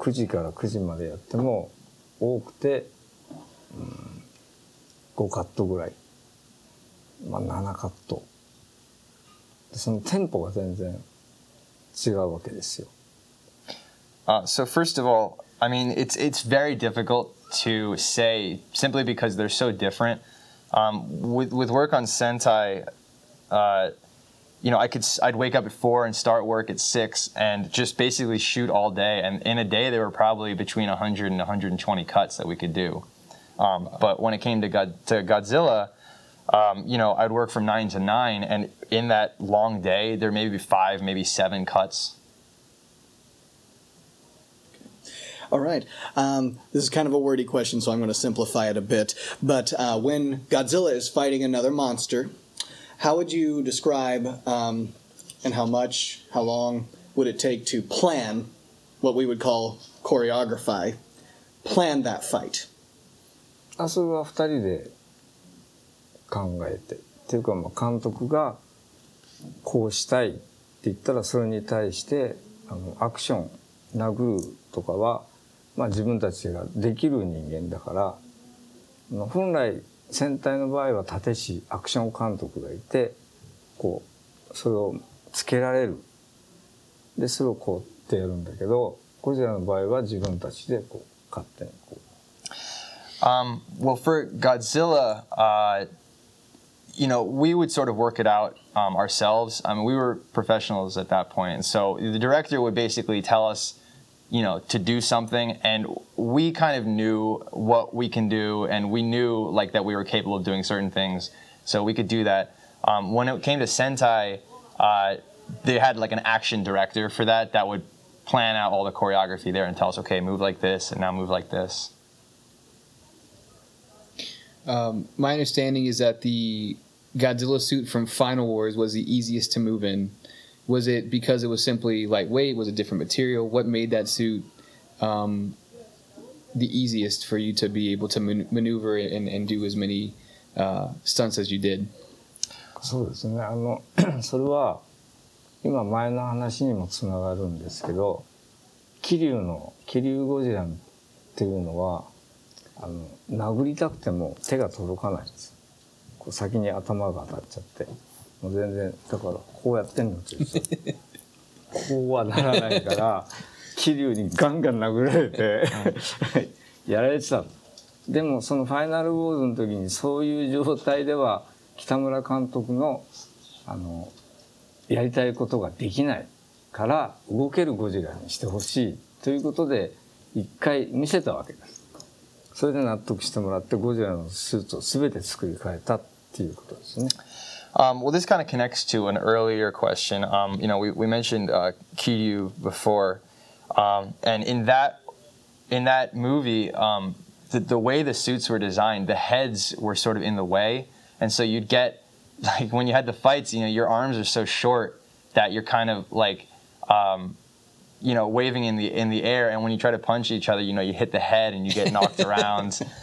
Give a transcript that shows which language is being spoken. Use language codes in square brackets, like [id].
[ja] ゴジラでしょ?ゴジラと戦隊。全然違うから、やっぱり戦隊の方は、例えば朝4時に起きて6時に撮影所へ出発して、暗くなるまでずっともう動きっぱなしで、1日例えば100カット、200カット撮る。ゴジラの場合は9時から9時までやっても多くて、 5カットぐらい。7カット。そのテンポが全然違うわけですよ。 [en] So first of all, I mean, it's very difficult to say simply because they're so different. With work on Sentai, I'd wake up at 4 and start work at 6 and just basically shoot all day. And in a day, there were probably between 100 and 120 cuts that we could do. But when it came to Godzilla, I'd work from 9 to 9, and in that long day, there may be 5, maybe 7 cuts. All right. This is kind of a wordy question, so I'm going to simplify it a bit. But when Godzilla is fighting another monster, how would you describe and how much, how long would it take to plan what we would call choreography, plan that fight? [ja] あ、それは2人で考えて、っていうか、監督がこうしたいって言ったらそれに対してあのアクション殴るとかは、まあ、自分たちができる人間だから本来戦隊の場合は立石アクション監督がいてこうそれをつけられるでそれをこうってやるんだけどゴジラの場合は自分たちでこう勝手にこう。 [en] Well, for Godzilla, you know, we would sort of work it out ourselves. I mean, we were professionals at that point. So the director would basically tell us, you know, to do something. And we kind of knew what we can do. And we knew, like, that we were capable of doing certain things. So we could do that. When it came to Sentai, they had, like, an action director for that that would plan out all the choreography there and tell us, okay, move like this and now move like this. My understanding is that the Godzilla suit from Final Wars was the easiest to move in. Was it because it was simply lightweight? Was it different material? What made that suit the easiest for you to be able to maneuver and do as many stunts as you did? [ja] そうですね。あの、それは今前の話にもつながるんですけど、キリュウゴジラっていうのは、あの殴りたくても手が届かないんです。こう先に頭が当たっちゃって、もう全然だからこうやってんのって、こうはならないから、キリュウにガンガン殴られて、やられてた。でもそのファイナルウォーズの時にそういう状態では北村監督のあのやりたいことができないから動けるゴジラにしてほしいということで一回見せたわけです。それで納得してもらってゴジラのスーツをすべて作り変えたっていうことですね。 [en] Well, this kind of connects to an earlier question. You know, we mentioned Kiryu before, and in that movie, the way the suits were designed, the heads were sort of in the way, and so you'd get like when you had the fights, you know, your arms are so short that you're kind of like, you know, waving in the air, and when you try to punch each other, you know, you hit the head and you get knocked around.